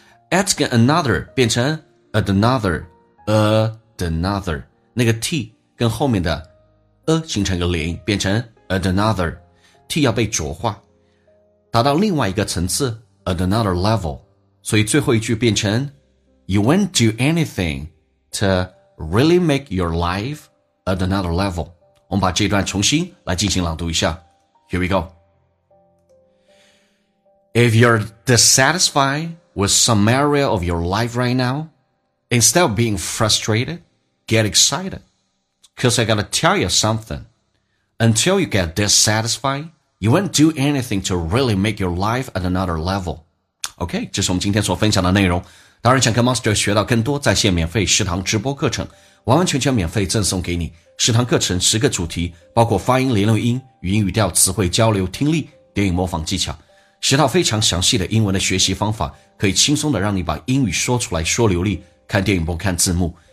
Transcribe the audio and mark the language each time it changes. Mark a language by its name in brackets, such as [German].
[Chinese] ask another 变成 [English] another, another, [Chinese] 那个 t 跟后面的 a 形成一个连音，变成 another, t 要被浊化，达到另外一个层次 [English] at another level, [Chinese] 所以最后一句变成 [English] You won't do anything to really make your life at another level。 [Chinese] 我们把这段重新来进行朗读一下。 [English] Here we go。 If you're dissatisfied with some area of your life right now, instead of being frustrated, get excited, because I gotta tell you something. Until you get dissatisfied,You won't do anything to really make your life at another level. [Chinese] OK, 这是我们今天所分享的内容。当然想跟 Master 学到更多在线免费食堂直播课程，完完全全免费赠送给你。食堂课程十个主题，包括发音、连读音、语音语调、词汇交流、听力、电影模仿技巧。十套非常详细的英文的学习方法，可以轻松的让你把英语说出来说流利，看电影不看字幕。